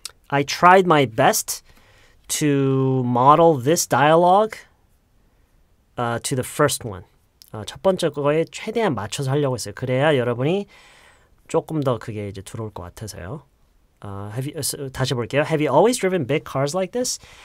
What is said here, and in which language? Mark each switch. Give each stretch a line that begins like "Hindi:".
English: I tried my best to model this dialogue to the first one.
Korean: 첫 번째 거에 최대한 맞춰서 하려고 했어요. 그래야 여러분이 조금 더 그게 이제 들어올 것 같아서요.
English: Have you
Korean: 다시 볼게요.
English: Have you always driven big cars like this?